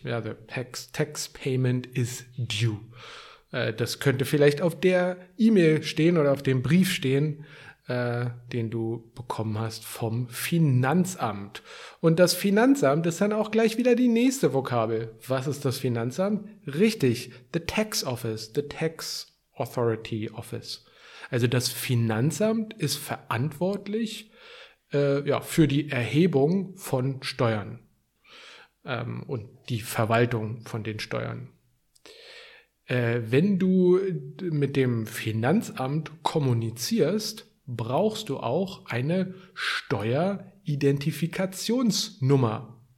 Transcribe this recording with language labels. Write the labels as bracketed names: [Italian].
[German] Ja, [English] the tax payment is due. [German] Das könnte vielleicht auf der E-Mail stehen oder auf dem Brief stehen, den du bekommen hast vom Finanzamt. Und das Finanzamt ist dann auch gleich wieder die nächste Vokabel. Was ist das Finanzamt? Richtig, [English] the tax office, the tax authority office. [German] Also das Finanzamt ist verantwortlich für die Erhebung von Steuern und die Verwaltung von den Steuern. Wenn du mit dem Finanzamt kommunizierst, brauchst du auch eine Steueridentifikationsnummer.